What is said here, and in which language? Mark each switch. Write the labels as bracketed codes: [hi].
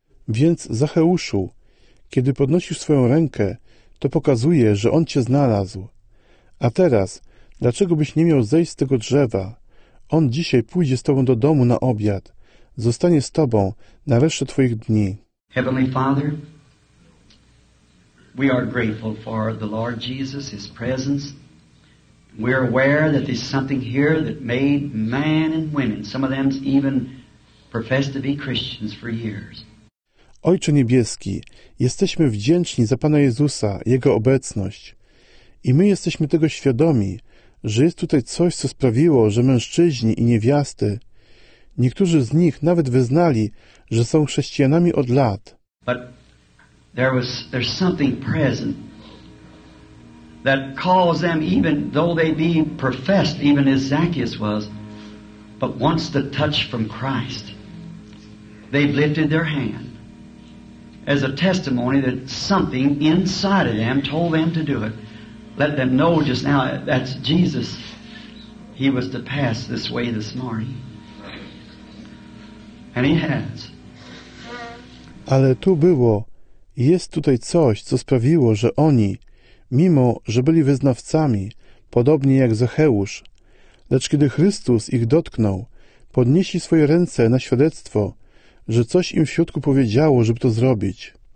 [pl] Więc, Zacheuszu, kiedy podnosisz swoją rękę, to pokazuje, że on cię znalazł. A teraz, dlaczego byś nie miał zejść z tego drzewa? On dzisiaj pójdzie z tobą do domu na obiad. Zostanie z tobą na resztę twoich dni. [en] Heavenly Father, we are grateful for the Lord Jesus, his presence. We are aware that there's something here that made men and women, some of them even professed to be Christians for years. [pl] Ojcze niebieski, jesteśmy wdzięczni za Pana Jezusa, jego obecność. I my jesteśmy tego świadomi, że jest tutaj coś, co sprawiło, że mężczyźni i niewiasty, niektórzy z nich nawet wyznali, że są chrześcijanami od lat. [en] But there's something present that calls them, even though they be professed, even as Zacchaeus was, but once the touch from Christ, they've lifted their hand as a testimony that something inside of them told them to do it. Let them know just now that's Jesus. He was to pass this way this morning. And he has. [pl] Ale tu było, jest tutaj coś, co sprawiło, że oni, mimo że byli wyznawcami, podobnie jak Zacheusz, lecz kiedy Chrystus ich dotknął, podnieśli swoje ręce na świadectwo, że coś im w środku powiedziało, żeby to zrobić.